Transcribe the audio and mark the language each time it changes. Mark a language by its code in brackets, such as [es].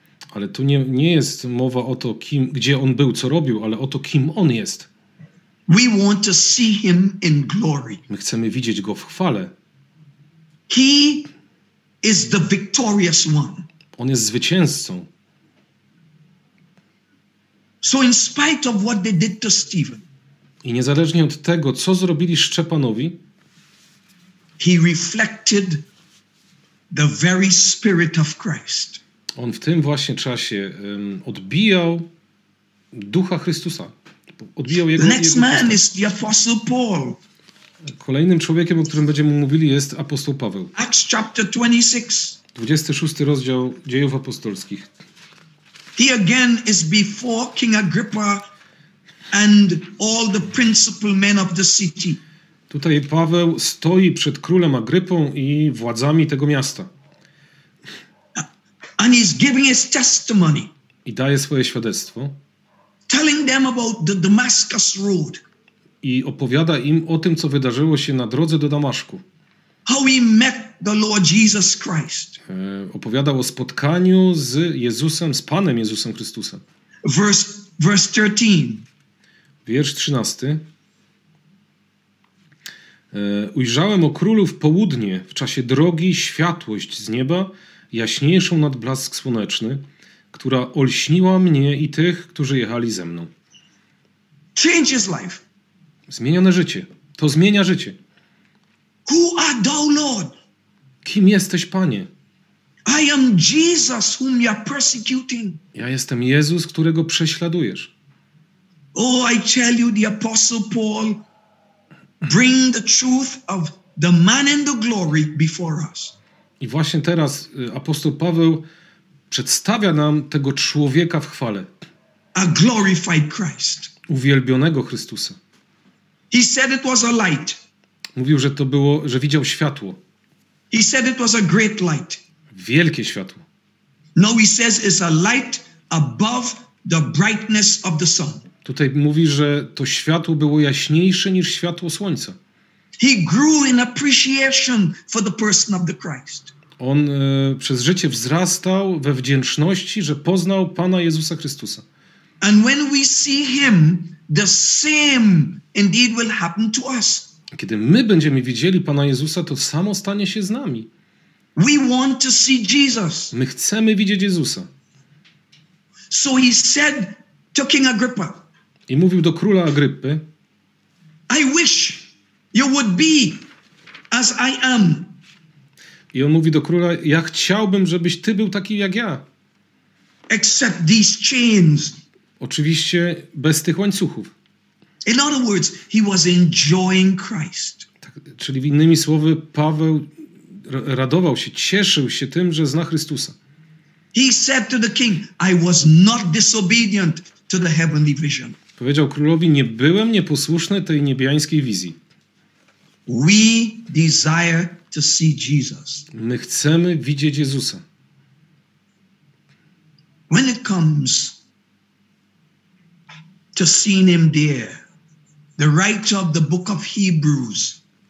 [pl] Ale tu nie jest mowa o to, kim, gdzie on był, co robił, ale o to, kim on jest. [en] We want to see him in glory. [pl] My chcemy widzieć go w chwale. [en] He is the victorious one. [pl] On jest zwycięzcą. [en] So in spite of what they did to Stephen, [pl] i niezależnie od tego, co zrobili Szczepanowi, [en] he reflected the very spirit of Christ. [pl] On w tym właśnie czasie odbijał Ducha Chrystusa. Odbijał jego, [en] the next [pl] jego [en] man is the Apostle Paul. [pl] Kolejnym człowiekiem, o którym będziemy mówili, jest apostoł Paweł. [en] Acts chapter 26. [pl] 26 rozdział Dziejów Apostolskich. [en] He again is before King Agrippa and all the principal men of the city. [pl] Tutaj Paweł stoi przed królem Agrypą i władzami tego miasta. [en] And he's giving his testimony. [pl] I daje swoje świadectwo. [en] Telling them about the Damascus road. [pl] I opowiada im o tym, co wydarzyło się na drodze do Damaszku. [en] How he met the Lord Jesus Christ. [pl] Opowiadał o spotkaniu z Jezusem, z Panem Jezusem Chrystusem. [en] Verse 13. [pl] Wiersz 13. Ujrzałem o królu w południe, w czasie drogi, światłość z nieba, jaśniejszą nad blask słoneczny, która olśniła mnie i tych, którzy jechali ze mną. [en] Change his life. [pl] Zmienione życie. To zmienia życie. [en] Who art thou, Lord? [pl] Kim jesteś, Panie? [en] I am Jesus, whom you are persecuting. [pl] Ja jestem Jezus, którego prześladujesz. [en] Oh, I tell you, the Apostle Paul, bring the truth of the man in the glory before us. [pl] I właśnie teraz apostoł Paweł przedstawia nam tego człowieka w chwale. [en] A glorified Christ. [pl] Uwielbionego Chrystusa. [en] He said it was a light. [pl] Mówił, że to było, że widział światło. [en] He said it was a great light. [pl] Wielkie światło. [en] No, he says it's a light above the brightness of the sun. [pl] Tutaj mówi, że to światło było jaśniejsze niż światło słońca. [en] He grew in appreciation for the person of the Christ. [pl] On przez życie wzrastał we wdzięczności, że poznał Pana Jezusa Chrystusa. [en] And when we see him, the same indeed will happen to us. [pl] Kiedy my będziemy widzieli Pana Jezusa, to samo stanie się z nami. [en] We want to see Jesus. [pl] My chcemy widzieć Jezusa. [en] So he said to King Agrippa. [pl] I mówił do króla Agrypy. [en] I wish you would be as I am. [pl] I on mówi do króla, ja chciałbym, żebyś ty był taki jak ja. [en] Except these chains. [pl] Oczywiście bez tych łańcuchów. [en] In other words, he was enjoying Christ. [pl] Czyli innymi słowy, Paweł radował się, cieszył się tym, że zna Chrystusa. [en] He said to the king, I was not disobedient to the heavenly vision. [pl] Powiedział królowi, nie byłem nieposłuszny tej niebiańskiej wizji. [en] We desire to see Jesus. [pl] My chcemy widzieć Jezusa. [en] When it comes to seeing him there, the writer of the book of Hebrews.